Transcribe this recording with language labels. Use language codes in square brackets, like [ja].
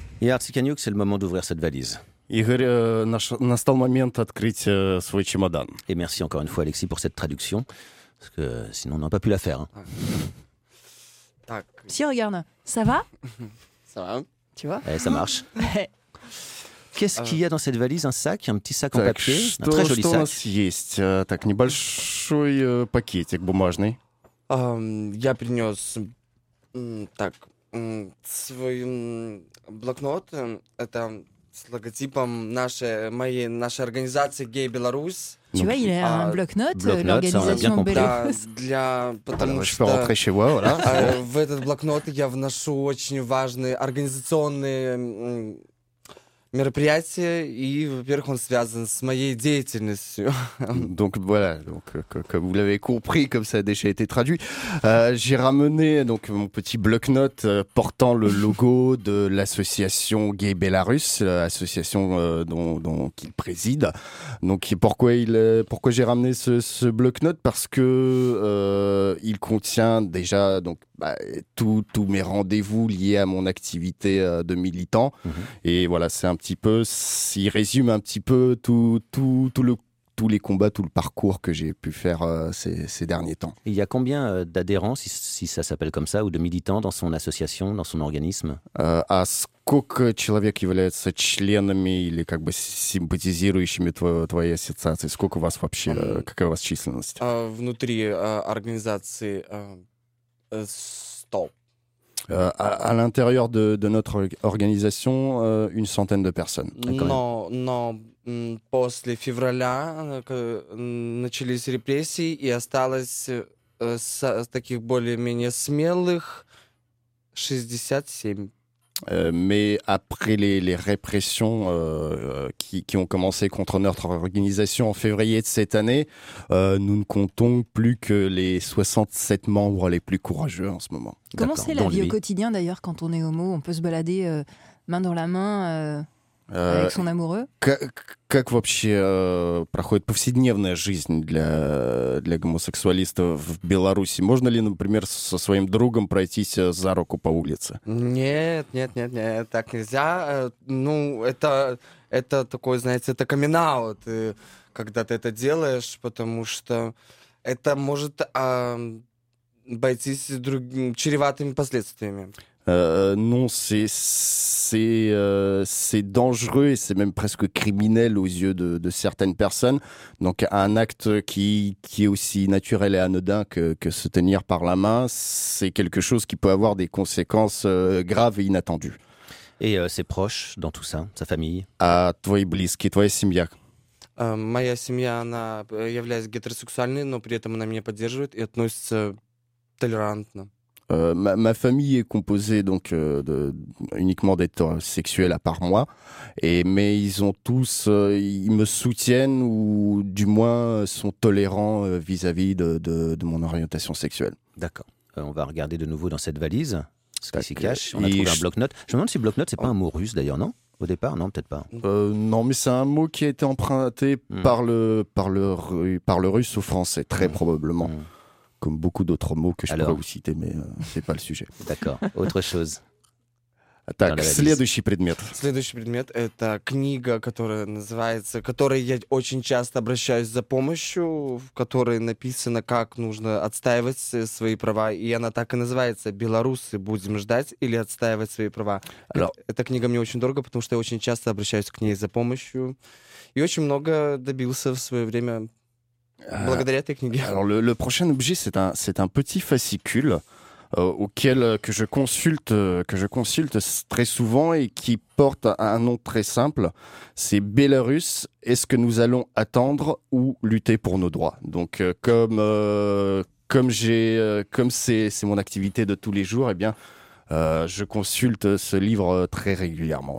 [fr] Et Artsy Kanyuk, c'est le moment d'ouvrir cette valise. [ru] Игорь, настал момент открыть свой чемодан. [fr] Et merci encore une fois, Алексей, pour cette traduction, parce que sinon, on n'aurait pas pu la faire. [ru] Hein. Так. [fr] Si, regarde, ça va? Ça va. Tu vois? Eh, ça marche. Qu'est-ce qu'il y a dans cette valise? Un sac, un petit sac en papier, [ru] что, [fr] un très joli [ru] что Что у нас есть? Так, небольшой пакетик бумажный. Я принес, так, свой блокнот. Это с логотипом нашей организации «Гей Беларусь». [fr] Tu vois, il a un bloc-notes, l'organisation Беларусь. [ru] Для, потому что в этот блокнот я вношу очень важные организационные мероприятия, и, во-первых, он связан с моей деятельностью. [fr] Donc voilà, donc comme vous l'avez compris, comme ça a déjà été traduit, j'ai ramené donc mon petit bloc-notes portant le logo de l'association Gay Belarus, association dont il préside. Donc pourquoi j'ai ramené ce bloc-notes? Parce que il contient déjà donc tous mes rendez-vous liés à mon activité de militant. Mmh. Et voilà, c'est un petit peu, il résume un petit peu tous les combats, tout le parcours que j'ai pu faire ces derniers temps. Il y a combien d'adhérents, si ça s'appelle comme ça, ou de militants dans son association, dans son organisme? [ru] À сколько человек являются членами или как бы симпатизирующими твоей ассоциации? Сколько вас вообще, какая у вас численность? Внутри организации 100. [fr] À l'intérieur de notre organisation, une centaine de personnes. Non. [ru] После февраля начались репрессии и осталось таких более-менее смелых 67. [fr] Mais après les répressions qui ont commencé contre notre organisation en février de cette année, nous ne comptons plus que les 67 membres les plus courageux en ce moment. Comment D'accord. c'est la vie au quotidien d'ailleurs quand on est homo? On peut se balader main dans la main avec son amoureux? [ru] Как вообще проходит повседневная жизнь для гомосексуалистов в Беларуси? Можно ли, например, со своим другом пройтись за руку по улице? Нет, так нельзя. Ну, это такой, знаете, это камин-аут, когда ты это делаешь, потому что это может обойтись другим чреватыми последствиями. [fr] Non, c'est dangereux et c'est même presque criminel aux yeux de certaines personnes. Donc un acte qui est aussi naturel et anodin que se tenir par la main, c'est quelque chose qui peut avoir des conséquences graves et inattendues. Et ses proches dans tout ça, sa famille? [ru] À твои близкие, твоя семья. Моя семья, она является гетеросексуальной, но при этом она меня поддерживает и относится толерантно. [fr] Ma famille est composée donc uniquement d'hétérosexuels à part moi, mais ils ont tous, ils me soutiennent ou du moins sont tolérants vis-à-vis de mon orientation sexuelle. D'accord. On va regarder de nouveau dans cette valise ce qui s'y cache. On a trouvé un bloc-notes. Je me demande si bloc-notes c'est pas un mot russe d'ailleurs, non? Au départ, non, peut-être pas. Non, mais c'est un mot qui a été emprunté par le russe au français, très probablement. Mmh. Comme beaucoup d'autres mots que je pourrais vous citer, mais c'est pas le sujet. D'accord. Autre chose. [ru] Так, следующий предмет. Следующий предмет – это книга, которая называется, которой я очень часто обращаюсь за помощью, в которой написано, как нужно отстаивать свои права, и она так и называется «Белорусы, будем ждать или отстаивать свои права». [fr] Alors. [ru] Эта книга мне очень дорога, потому что я очень часто обращаюсь к ней за помощью и очень много добился в свое время. Благодаря этой книге. [fr] Alors le prochain objet, c'est un petit fascicule que je consulte très souvent et qui porte un nom très simple. C'est Belarus, est-ce que nous allons attendre ou lutter pour nos droits? Donc comme c'est mon activité de tous les jours, et bien je consulte ce livre très régulièrement.